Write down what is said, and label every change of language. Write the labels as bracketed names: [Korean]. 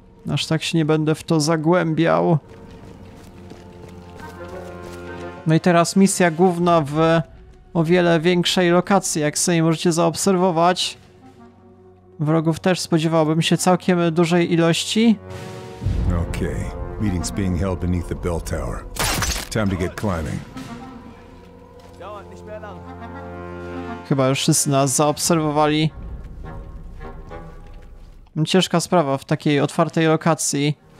[Polish] Aż tak się nie będę w to zagłębiał. No i teraz misja główna w o wiele większej lokacji, jak sobie możecie zaobserwować. Wrogów też spodziewałbym się całkiem dużej ilości. [English] Okej, meeting's being held beneath the bell tower. Time to get climbing. [Polish] Chyba już wszyscy nas zaobserwowali. Ciężka sprawa w takiej otwartej lokacji.